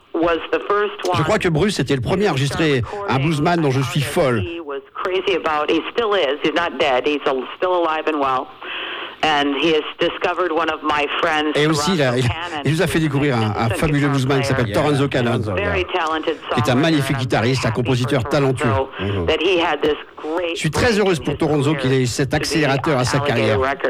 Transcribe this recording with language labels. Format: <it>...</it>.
<fr>Je crois que Bruce était le premier à enregistrer un bluesman dont je suis folle.</fr> <en>Crazy about he still is he's not dead he's still alive and well and he has discovered one of my friends</en> <fr>et aussi là, il nous a fait découvrir un fabuleux bluesman qui s'appelle Torrenzo Cannon, qui est un magnifique guitariste, un compositeur talentueux. Je suis très heureuse pour Torrenzo qu'il ait eu cet accélérateur à sa carrière.</fr>